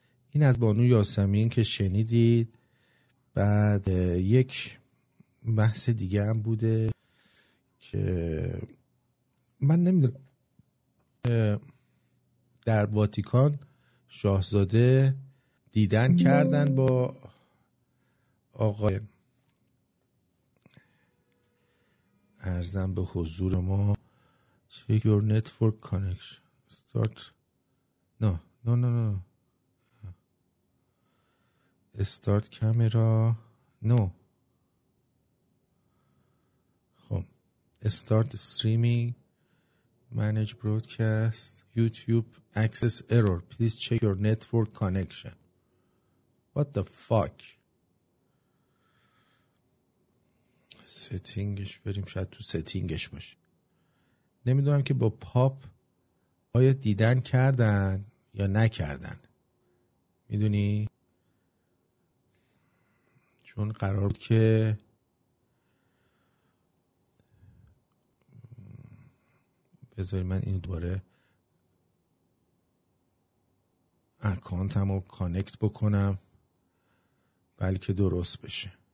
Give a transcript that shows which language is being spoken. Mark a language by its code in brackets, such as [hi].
[fa] این از بانو یاسمین که شنیدید. بعد یک بحث دیگه هم بوده که من نمیدونم، در واتیکان شاهزاده دیدن کردن با آقای ارزم به حضور ما. [en] Check your network connection. Start. No. No, no, no. Start camera. No. خب. Start streaming. Manage broadcast. YouTube access error. Please check your network connection. What the fuck? [fa] سیتینگش بریم، شاید تو سیتینگش باشه. نمیدونم که با پاپ آیا دیدن کردن یا نکردن، میدونی؟ چون قرار بود که بذاری من اینو دوباره اکانتم رو کانکت بکنم بلکه درست بشه.